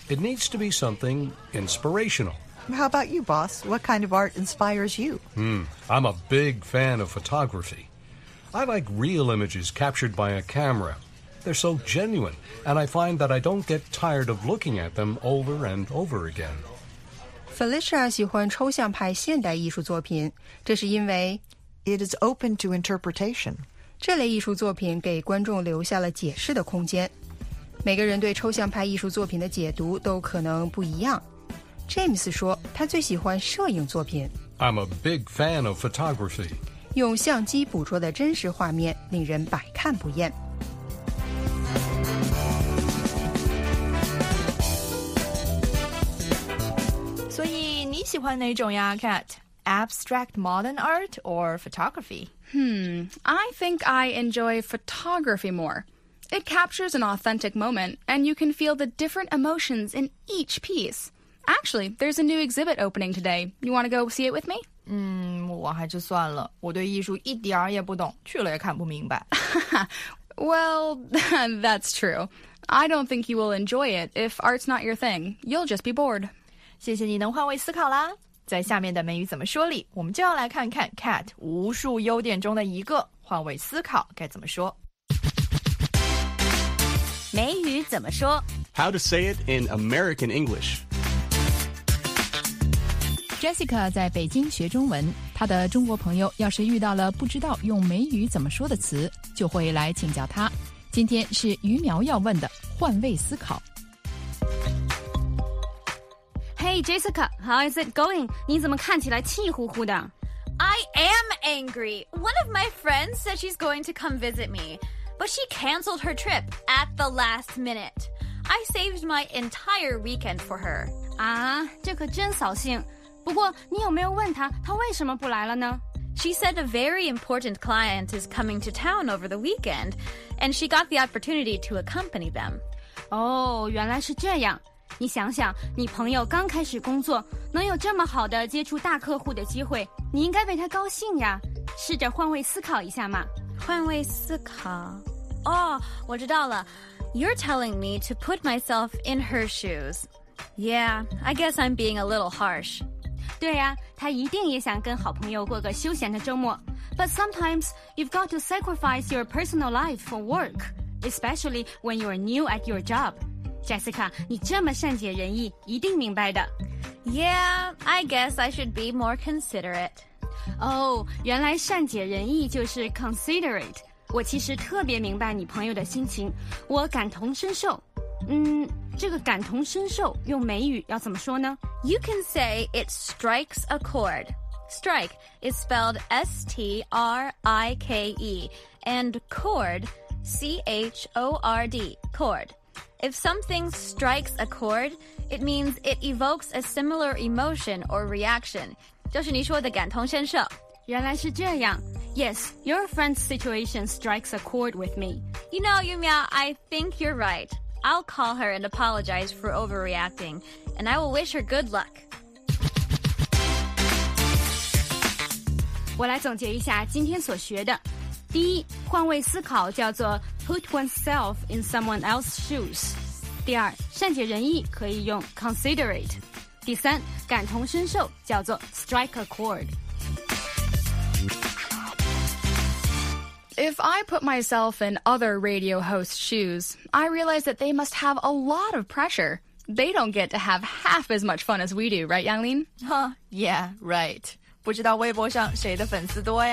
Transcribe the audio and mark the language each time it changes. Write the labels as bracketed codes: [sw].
[en] It needs to be something inspirational. How about you, boss? What kind of art inspires you? I'm a big fan of photography. I like real images captured by a camera. They're so genuine, and I find that I don't get tired of looking at them over and over again. [zh] Felicia 喜欢抽象派现代艺术作品，这是因为 [en] It is open to interpretation. [zh] 这类艺术作品给观众留下了解释的空间。每个人对抽象派艺术作品的解读都可能不一样。 James 说，他最喜欢摄影作品。 [en] I'm a big fan of photography. [zh] 用相机捕捉的真实画面令人百看不厌。喜欢哪种呀 [en] Kat? Abstract modern art or photography? I think I enjoy photography more. It captures an authentic moment, and you can feel the different emotions in each piece. Actually, there's a new exhibit opening today. You want to go see it with me? [zh] 我还是算了，我对艺术一点也不懂，去了也看不明白。 [en] Well, that's true. I don't think you will enjoy it if art's not your thing. You'll just be bored. [zh] 谢谢你能换位思考啦。在下面的美语怎么说里，我们就要来看看 Cat 无数优点中的一个，换位思考该怎么说。美语怎么说？ [en] How to say it in American English. [zh] Jessica 在北京学中文，她的中国朋友要是遇到了不知道用美语怎么说的词，就会来请教她。今天是于苗要问的换位思考。 [en] Hey, Jessica, how is it going? [zh] 你怎么看起来气呼呼的? [en] I am angry. One of my friends said she's going to come visit me, but she canceled her trip at the last minute. I saved my entire weekend for her. [zh] 这可真扫兴。不过你有没有问她她为什么不来了呢? [en] She said a very important client is coming to town over the weekend, and she got the opportunity to accompany them. [zh] 原来是这样。你想想，你朋友刚开始工作，能有这么好的接触大客户的机会，你应该为他高兴呀。试着换位思考一下嘛。换位思考？我知道了。 [en] You're telling me to put myself in her shoes. Yeah, I guess I'm being a little harsh. [zh] 对呀，他一定也想跟好朋友过个休闲的周末。 [en] But sometimes you've got to sacrifice your personal life for work, especially when you're new at your job. [zh] Jessica, 你这么善解人意，一定明白的。 [en] Yeah, I guess I should be more considerate. [zh] 原来善解人意就是 considerate. 我其实特别明白你朋友的心情，我感同身受。这个感同身受用美语要怎么说呢？ [en] You can say it strikes a chord. Strike is spelled S-T-R-I-K-E, and chord, C-H-O-R-D, chord. If something strikes a chord, it means it evokes a similar emotion or reaction. [zh] 就是你说的感同身受。原来是这样。 [en] Yes, your friend's situation strikes a chord with me. You know, Yumiao, I think you're right. I'll call her and apologize for overreacting, and I will wish her good luck. [zh] 我来总结一下今天所学的。第一，换位思考叫做 [en] put oneself in someone else's shoes. [zh] 第二，善解人意可以用 considerate. 第三，感同身受叫做 [en] strike a chord. If I put myself in other radio hosts' shoes, I realize that they must have a lot of pressure. They don't get to have half as much fun as we do, right, Yanglin? Yeah, right. [zh] 不知道微博上谁的粉丝多呀？